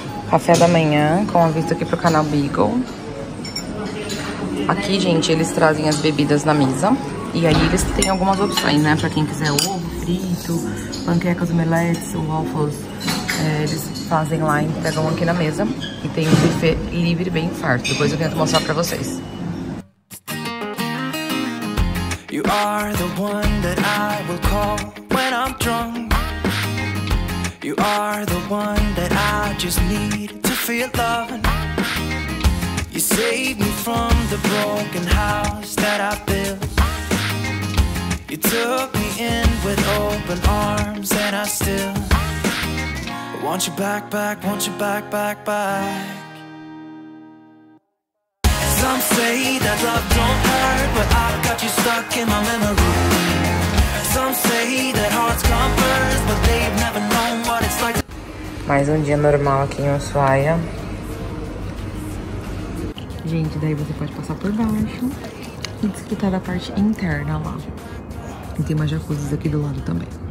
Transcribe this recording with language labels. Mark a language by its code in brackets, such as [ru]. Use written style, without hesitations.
[pt] Café da manhã, com a vista aqui pro canal Beagle. Aqui, gente, eles trazem as bebidas na mesa. E aí eles têm algumas opções, né? Pra quem quiser ovo frito, panquecas, omeletes, waffles. Eles fazem lá e pegam aqui na mesa. E tem um buffet livre bem farto. Depois eu tento mostrar pra vocês. [en] You are the one that I will call when I'm drunk. You are the one that I just need to feel love. You saved me from the broken house that I built. You took me in with open arms and I still want you back, back, want you back, back, back. Some say that love don't hurt, but I've got you stuck in my memory. Some say that hearts come first, but they've never known what it's like. [pt] Mais dia normal aqui em Ushuaia. Gente, daí você pode passar por baixo e desfrutar da parte interna lá. E tem umas jacuzzi aqui do lado também.